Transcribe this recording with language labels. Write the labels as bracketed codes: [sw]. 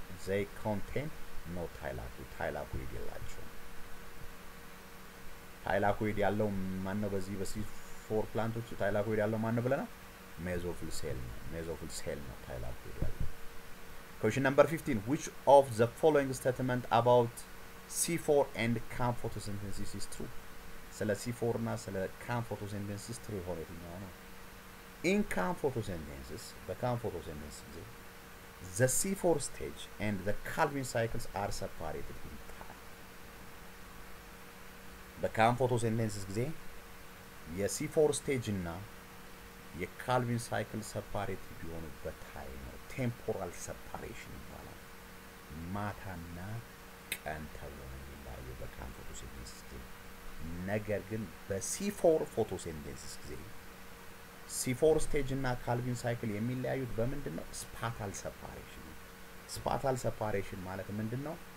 [en] They contain no thylakoid. Thylakoid [am] ያላቸው thylakoid ያለው ማን ነው? በዚህ በC4 plantsው thylakoid ያለው ማን ነው ብለና [en] mesophyll cell ነው። mesophyll cell [am] ነው thylakoid ያለው። [en] question number 15, which of the following statement about C4 and CAM photosynthesis is true? [am] ስለ C4 እና ስለ CAM photosynthesis true ሆኖ ይገኛል። [en] in CAM photosynthesis, the CAM photosynthesis, the C4 stage and the Calvin cycles are separated in time. [am] The CAM photosynthesis ጊዜ የC4 stage እና የCalvin cycle separated ቢሆኑ በtime ነው temporal separation ይባላል። ማታና ቀን ተብሎ ይለያየ በCAM photosynthesis ጊዜ። ነገር ግን በC4 photosynthesis ጊዜ C4 stage እና Calvin cycle የሚለያዩት በመንድነው spatial separation ነው። spatial separation ማለት ምንድነው?